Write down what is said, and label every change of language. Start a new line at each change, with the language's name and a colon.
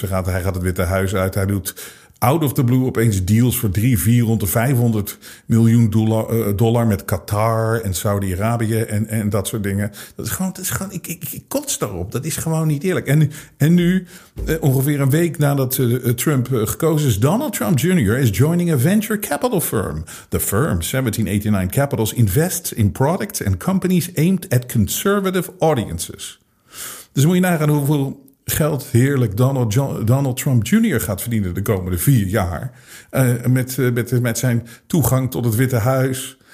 Dutch: Hij gaat het Witte Huis uit. Hij doet
English: out of the blue
Dutch: opeens deals voor $300-500 miljoen met Qatar en Saudi-Arabië en dat soort dingen. Dat is gewoon ik kots daarop. Dat is gewoon niet eerlijk. En nu, ongeveer een week nadat Trump gekozen is, Donald Trump Jr.
English: is joining a venture capital firm. The firm, 1789 Capitals, invests in products and companies aimed at conservative audiences.
Dutch: Dus moet je nagaan hoeveel geld heerlijk Donald Trump Jr. gaat verdienen de komende 4 jaar. Met zijn toegang tot het Witte Huis.